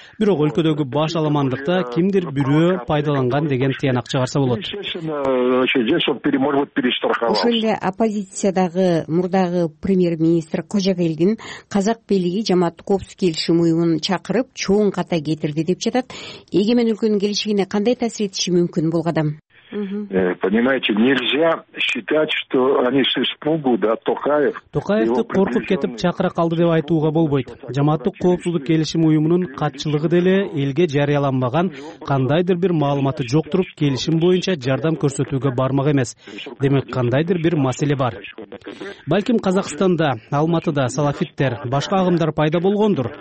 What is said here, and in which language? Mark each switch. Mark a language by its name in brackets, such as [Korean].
[Kyrgyz] Бирок өлкөдөгү баш аламандыкта кимдир бирөө пайдаланган деген тыянак чыгарса болот. Ошол эле оппозициядагы мурдагы премьер-министр Кожогелдин казак бийлиги жамаат коопсуз келишим уюмун чакырып чоң ката кетирди деп жатат. Эгемен өлкөнүн келишигине кандай таасир этиши мүмкүн бул кадам? [Russian] Понимаете, нельзя считать, что они с испугу, да, Токаев. [Kyrgyz] Токаевды коркуп кетип чакыра калды деп айтууга болбойт. Жамааттык коопсуздук келишим уюмунун катчылыгы деле элге жарыяланбаган кандайдыр бир маалыматы жоктуруп келишим боюнча жардам көрсөтүүгө бармак эмес. Демек, кандайдыр бир маселе бар. Балким Казакстанда, Алматыда салафиттер, башка агымдар пайда болгондур.